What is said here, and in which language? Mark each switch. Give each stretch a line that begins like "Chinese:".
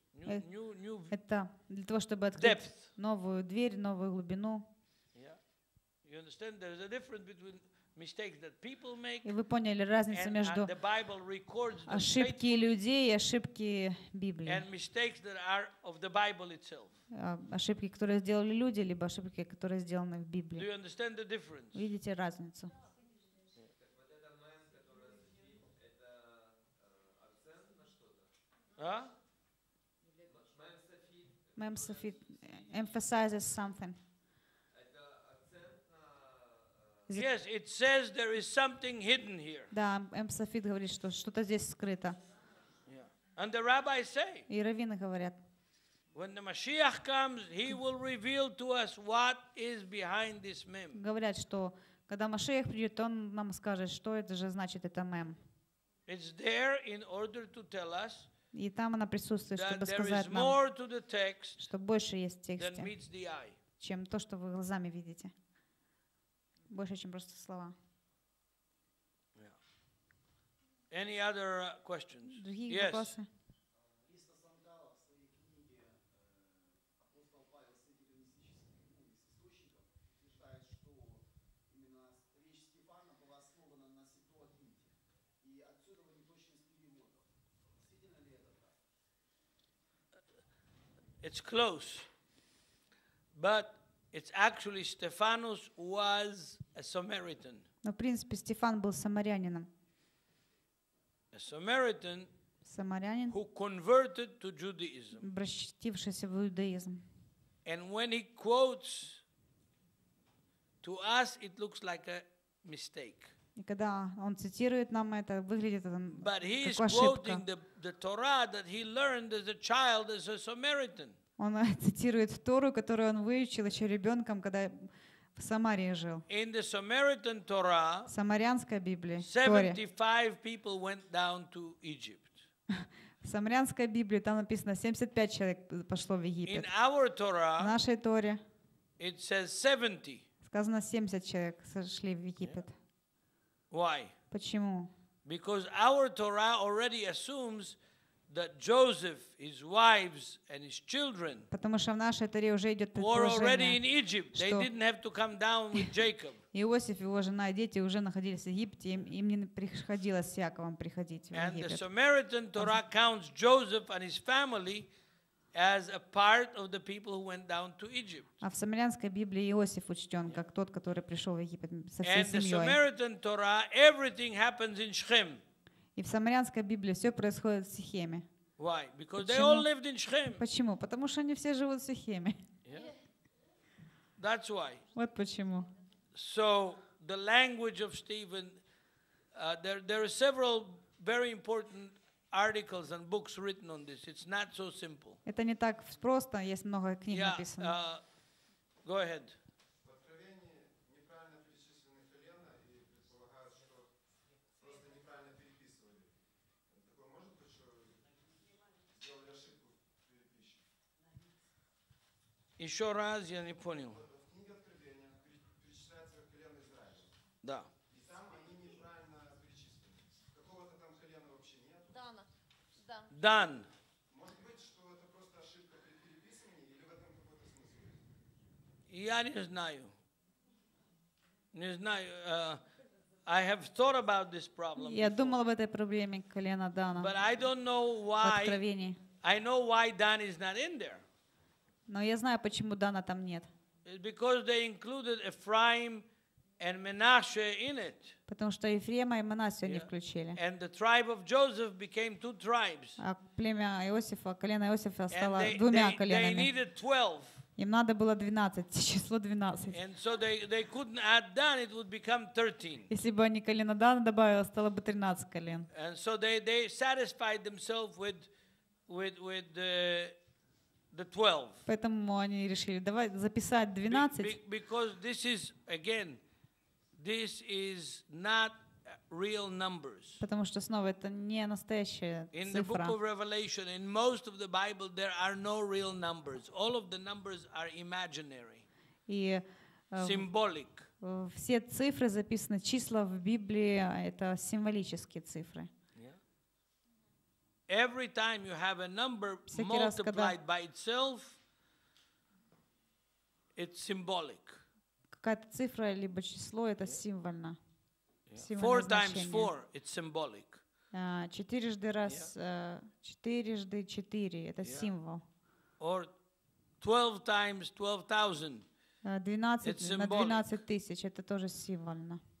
English: New
Russian: это для того, чтобы открыть
English: depth.
Russian: Новую дверь, новую глубину.
English: Yeah. You understand? There's a difference between mistakes that people make.
Russian: І ви поняли разницу между ошибки людей і ошибки Біблії.
English: And mistakes that are of the Bible itself.
Russian: Ошибки, которые сделали люди, либо ошибки, которые сделаны в Библии.
English: Do you understand the difference?
Russian: Видите разницу?
English: Мем софит emphasizes something. Yes, it says there is something hidden here.
Russian: Да, мем софит говорит, что что-то здесь скрыто.
English: Yeah. And the rabbis say.
Russian: И раввины говорят.
English: When the Mashiach comes, he will reveal to us what is behind this mem.
Russian: Говорят, что когда Машиах придет, он нам скажет, что это же значит это мем.
English: It's there in order to tell us.
Russian: И там она присутствует, чтобы сказать нам, что больше есть в тексте, чем то, что вы глазами видите. Больше, чем просто слова.
English: Yeah. Any other questions?
Russian: Другие yes. вопросы?
English: It's close, but it's actually Stephanus was a Samaritan.
Russian: Но в принципе Стефан был самарянином.
English: A Samaritan.
Russian: Самарянин.
English: Who converted to Judaism.
Russian: Обратившийся в иудаизм.
English: And when he quotes to us, it looks like a mistake.
Russian: И когда он цитирует нам это, выглядит это как ошибка.
English: But he is quoting the Torah that he learned as a child, as a Samaritan.
Russian: Он цитирует Тору, которую он выучил еще ребенком, когда в Самарии жил.
English: In the Samaritan Torah,
Russian: Самарянская Библия,
English: 75 people went down to Egypt.
Russian: В Самарянской Библии там написано, 75 человек пошло в Египет.
English: In our Torah,
Russian: в нашей Торе,
English: it says 70.
Russian: Сказано, 70 человек сошли в Египет.
English: Yeah. Why?
Russian: Почему?
English: Because our Torah already assumes that Joseph, his wives, and his children were already in Egypt. They didn't have to come down with Jacob.
Russian: Иосиф, его жена и дети уже находились в Египте, им не приходилось с Яковом приходить в Египет.
English: And the Samaritan Torah counts Joseph and his family as a part of the people who went down to Egypt.
Russian: А в Самарянской Библии Иосиф учтен как тот, который пришел в Египет со всей семьей.
English: And the Samaritan Torah, everything happens in Shechem.
Russian: И в Самарянской Библии все происходит в Сихеме.
English: Why? Because
Russian: Почему?
English: They all lived in Shechem.
Russian: Почему? Потому что они все живут в Сихеме.
English: Yeah. That's why.
Russian: Вот почему.
English: So the language of Stephen, there are several very important articles and books written on this. It's not so simple.
Russian: Это не так просто. Есть много книг написано. Go ahead. Еще раз я не понял. В книге Откровения перечисляется колено Израиль. Да. И там они неправильно перечислены. Какого-то там колена вообще нет. Дана. Дан. Может быть, что это просто ошибка при переписывании или в этом какой-то смысл? Я не знаю. Не знаю.
English: I have thought about this problem.
Russian: Я думал об этой проблеме колена Дана.
English: But I don't know why.
Russian: В Откровении.
English: I know why Dan is not in there.
Russian: Но я знаю, почему Дана там нет.
English: Because they included Ephraim and Manasseh in it.
Russian: Потому что Ефрема и Манасе они включили.
English: And the tribe of Joseph became two tribes.
Russian: А племя Иосифа, колено Иосифа стало двумя коленами.
English: They needed 12.
Russian: Им надо было 12, число 12.
English: And so they couldn't add Dan, it would become 13.
Russian: Если бы они колено Дана добавили, стало бы 13 колен.
English: And so they satisfied themselves with the 12.
Russian: Поэтому они решили давай записать 12.
English: Because this is again this is not real numbers.
Russian: Потому что снова это не настоящая цифра.
English: In the book of Revelation, in most of the Bible, there are no real numbers. All of the numbers are imaginary.
Russian: И
English: symbolic.
Russian: Все цифры записаны, числа в Библии это символические цифры.
English: Every time you have a number multiplied by itself, it's symbolic.
Russian: Какая-то цифра либо число это символьно.
English: Four times four, it's symbolic.
Ukrainian: Чотирижди раз, чотирижди чотири, це символ.
English: Or 12 times 12,000.
Ukrainian: 12 на 12 тисяч, це теж символно.